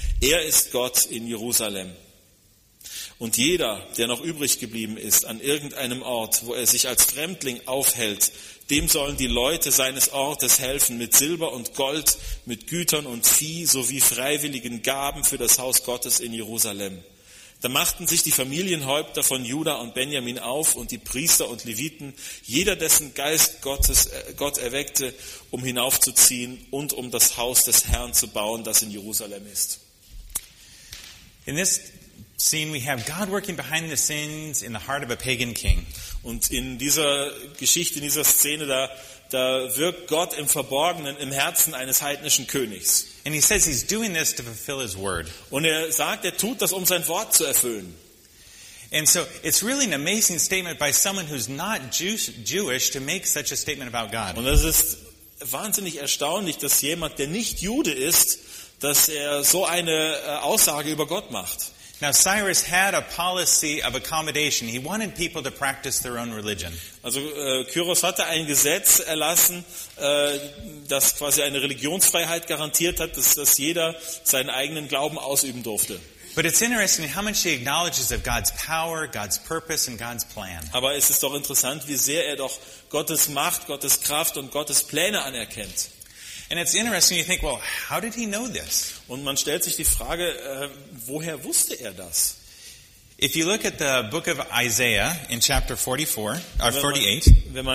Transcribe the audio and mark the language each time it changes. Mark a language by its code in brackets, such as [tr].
[de] Er ist Gott in Jerusalem. Und jeder, der noch übrig geblieben ist an irgendeinem Ort, wo er sich als Fremdling aufhält, dem sollen die Leute seines Ortes helfen mit Silber und Gold, mit Gütern und Vieh sowie freiwilligen Gaben für das Haus Gottes in Jerusalem. Da machten sich die Familienhäupter von Juda und Benjamin auf und die Priester und Leviten, jeder dessen Geist Gott erweckte, um hinaufzuziehen und um das Haus des Herrn zu bauen, das in Jerusalem ist. [en] In this scene we have God working behind the scenes in the heart of a pagan king. [de] Und in dieser Geschichte, in dieser Szene, da wirkt Gott im Verborgenen im Herzen eines heidnischen Königs. [en] And he says he's doing this to fulfill his word. [de] Und er sagt, er tut das, um sein Wort zu erfüllen. [en] And so it's really an amazing statement by someone who's not Jewish to make such a statement about God. [de] Und es ist wahnsinnig erstaunlich, dass jemand, der nicht Jude ist, dass er so eine Aussage über Gott macht. [en] Now Cyrus had a policy of accommodation. He wanted people to practice their own religion. [de] Also Kyros hatte ein Gesetz erlassen, das quasi eine Religionsfreiheit garantiert hat, dass jeder seinen eigenen Glauben ausüben durfte. [en] But it's interesting how much he acknowledges of God's power, God's purpose and God's plan. [de] Aber es ist doch interessant, wie sehr er doch Gottes Macht, Gottes Kraft und Gottes Pläne anerkennt. [en] And it's interesting, you think, well, how did he know this? [de] Und man stellt sich die Frage, woher wusste er das? [en] If you look at the book of Isaiah in chapter 44, or 48.